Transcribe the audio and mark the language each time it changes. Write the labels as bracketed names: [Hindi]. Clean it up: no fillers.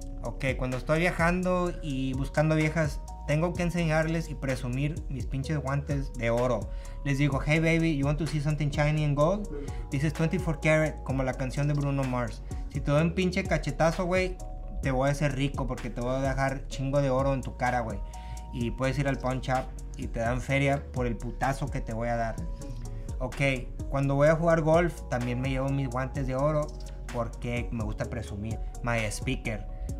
[Spanish] Okay, cuando estoy viajando y buscando viejas, tengo que enseñarles y presumir mis pinches guantes de oro. Les digo, [English] hey baby, you want to see something shiny and gold? This is 24 karat, [Spanish] como la canción de Bruno Mars. Si te doy un pinche cachetazo, güey, te voy a hacer rico porque te voy a dejar chingo de oro en tu cara, güey. Y puedes ir al pawn shop y te dan feria por el putazo que te voy a dar. Okay, cuando voy a jugar golf, también me llevo mis guantes de oro porque me gusta presumir. [English] My speaker.